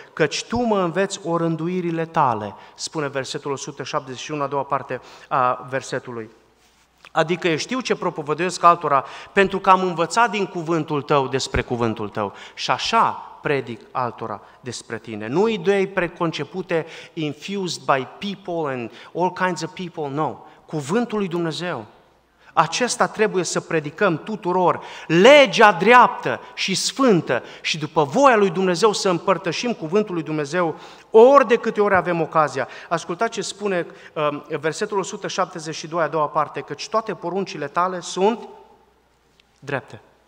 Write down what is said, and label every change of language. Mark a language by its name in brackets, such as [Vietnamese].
[Romanian] Căci tu mă înveți orânduirile tale, spune versetul 171, a doua parte a versetului. Adică eu știu ce propovăduiesc altora, pentru că am învățat din cuvântul tău despre cuvântul tău. Și așa predic altora despre tine. Nu idei preconcepute, [English] infused by people and all kinds of people, no. [Romanian] Cuvântul lui Dumnezeu. Acesta trebuie să predicăm tuturor, legea dreaptă și sfântă și după voia lui Dumnezeu să împărtășim cuvântul lui Dumnezeu ori de câte ori avem ocazia. Ascultați ce spune versetul 172, a doua parte, căci toate poruncile tale sunt drepte.